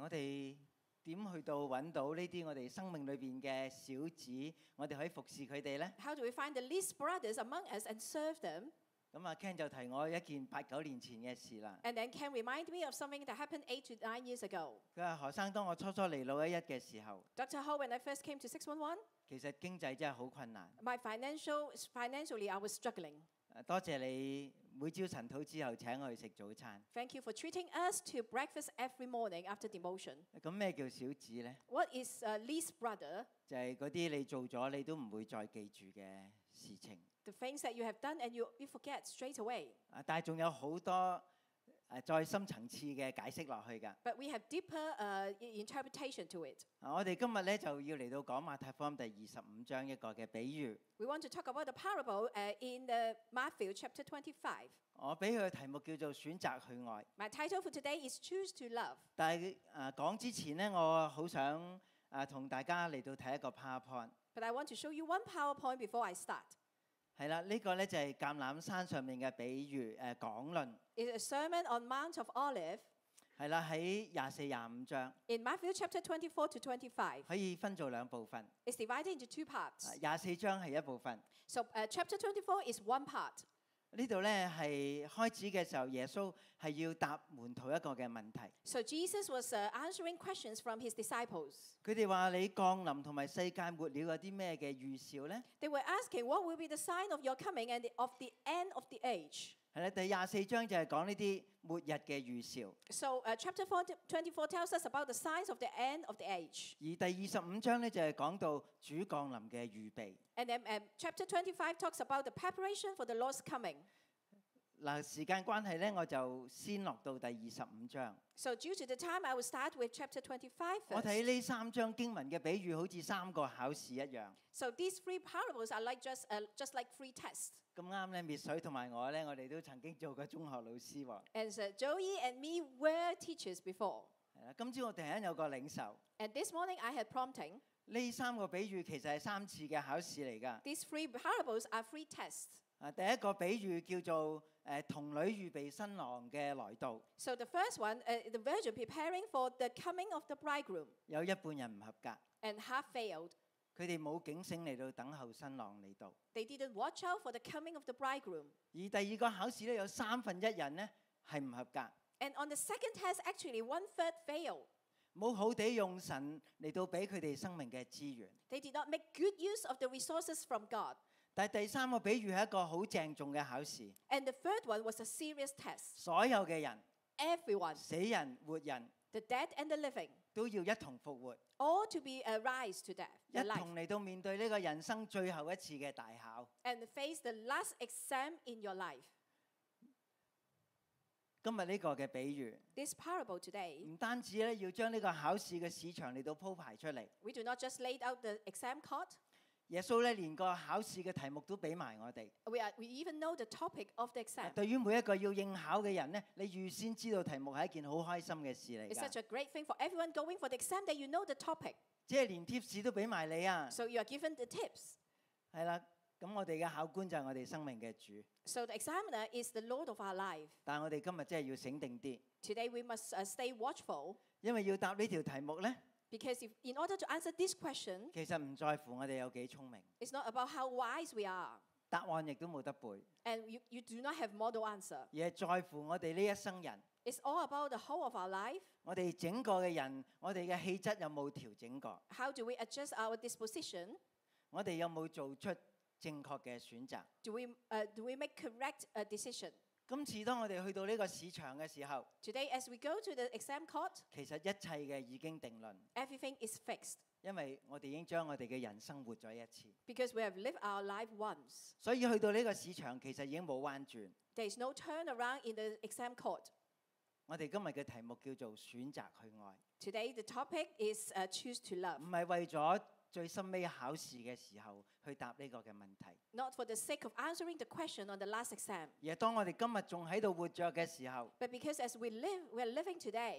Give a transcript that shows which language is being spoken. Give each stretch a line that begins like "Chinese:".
Chinese: 我哋點去到揾到呢啲我哋生命裏邊嘅小子，我哋可以服侍佢哋咧
English: ？How do we find the least brothers among us and serve them？
Chinese: 咁啊 ，Ken 就提我一件八九年前嘅事啦。
English: And then Ken remind me of something that happened 8 to 9 years ago。
Chinese: 佢話：何生，當我初初嚟老一嘅時候
English: ，Dr. Ho， when I first came to 611，
Chinese: 其實經濟真係好困難。
English: My financially I was struggling。
Chinese: 多謝你每朝晨禱之後請我去食早餐。
English: Thank you for treating us to breakfast every morning after devotion。
Chinese: 咁咩叫小子咧
English: ？What is a least brother？
Chinese: 就係嗰啲你做咗你都唔會再記住嘅事情。
English: The things that you have done and you forget straight away。
Chinese: 但係仲有好多再深層次嘅解釋落去㗎。
English: But we have deeper interpretation to it。
Chinese: 我哋今日咧就要嚟到講馬太福音第25章一個嘅比喻。
English: We want to talk about the parable in the Matthew chapter 25.
Chinese: 我俾佢題目叫做選擇去愛。
English: My title for today is Choose to Love.
Chinese: 但係講之前咧，我好想同大家嚟到睇一個 PowerPoint。
English: But I want to show you one PowerPoint before I start.
Chinese: 係啦，呢個咧就係橄欖山上面嘅比喻講論。
English: It's a sermon on Mount of Olives.
Chinese: 係啦，喺24、25章。
English: In Matthew chapter 24 to 25。
Chinese: 可以分做兩部分。
English: It's divided into two parts.
Chinese: 24章係一部分。
English: So chapter 24 is one part.
Chinese: 呢度咧係開始嘅時候，耶穌係要答門徒一個嘅問題。
English: So Jesus was answering questions from his disciples.
Chinese: 佢哋話：你降臨同埋世界末了有啲咩嘅預兆咧
English: ？They were asking what will be the sign of your coming and of the end of the age.
Chinese: 係啦，第24章就係講呢啲末日嘅預兆。
English: So chapter 24 tells us about the signs of the end of the age。
Chinese: 而第25章咧就係講到主降臨嘅預備。
English: And then chapter 25 talks about the preparation for the Lord's coming。
Chinese: 嗱，時間關係咧，我就先落到第25章。
English: So due to the time, I will start with chapter 25 first。
Chinese: 我睇呢3章經文嘅比喻，好似三個考試一樣。
English: So these three parables are like just like three tests。
Chinese: 咁啱咧，滅水同埋我咧，我哋都曾經做過中學老師喎。
English: And so Joey and me were teachers before。
Chinese: 係啦，今朝我突然間有個領受。
English: And this morning I had prompting。
Chinese: 呢三個比喻其實係三次嘅考試嚟㗎。
English: These three parables are three tests。
Chinese: 第一個比喻叫做童女預備新郎嘅來到。
English: So the first one, the virgin preparing for the coming of the bridegroom。
Chinese: 有一半人唔合格。
English: And half failed。
Chinese: 佢哋冇警醒嚟到等候新郎嚟到。
English: They didn't watch out for the coming of the bridegroom。
Chinese: 而第二個考試咧，有三分一人咧係唔合格。
English: And on the second test, actually 1/3 failed。
Chinese: 冇好地用神嚟到俾佢哋生命嘅資源。
English: They did not make good use of the resources from God。
Chinese: 但第三個比喻係一個好鄭重嘅考試。
English: And the third one was a serious test。
Chinese: 所有嘅人
English: ，everyone，
Chinese: 死人活人
English: ，the dead and the living，
Chinese: 都要一同復活
English: ，all to be arise to death，
Chinese: 一同嚟到面對呢個人生最後一次嘅大考
English: ，and face the last exam in your life。
Chinese: 今日呢個嘅比喻
English: ，this parable today，
Chinese: 唔單止咧要將呢個考試嘅市場嚟到鋪排出嚟
English: ，we do not just laid out the exam card。
Chinese: 耶穌咧，連個考試嘅題目都俾埋我哋。
English: We even know the topic of the exam。
Chinese: 對於每一個要應考嘅人咧，你預先知道題目係一件好開心嘅事嚟。
English: It's such a great thing for everyone going for the exam that you know the topic。
Chinese: 即係連 tips 都俾埋你啊。
English: So you are given the tips。
Chinese: 係啦，咁我哋嘅考官就係我哋生命嘅主。
English: So the examiner is the Lord of our life。
Chinese: 但係我哋今日真係要醒定啲。
English: Today we must stay watchful。
Chinese: 因為要答呢條題目咧。
English: Because if, in order to answer this question,
Chinese: 其實唔在乎我哋有幾聰明。
English: It's not about how wise we are.
Chinese: 答案亦都冇得背。
English: And you do not have model answer.
Chinese: 而係在乎我哋呢一生人。
English: It's all about the whole of our life.
Chinese: 我哋整個嘅人，我哋嘅氣質有冇調整過
English: ？How do we adjust our disposition?
Chinese: 我哋有冇做出正確嘅選擇
English: ？Do we make correct a decision?
Chinese: 今次當我哋去到呢個市場嘅時候
English: ，Today as we go to the exam court，
Chinese: 其實一切嘅已經定論
English: ，Everything is fixed，
Chinese: 因為我哋已經將我哋嘅人生活咗一次
English: ，Because we have lived our life once，
Chinese: 所以去到呢個市場其實已經冇彎轉
English: ，There is no turn around in the exam court。
Chinese: 我哋今日嘅題目叫做選擇去愛
English: ，Today the topic is choose to love，
Chinese: 唔係為咗最深尾考試嘅時候去答呢個嘅問題。
English: Not for the sake of answering the question on the last exam。
Chinese: 而當我哋今日仲喺度活著嘅時候
English: ，But because as we are living today，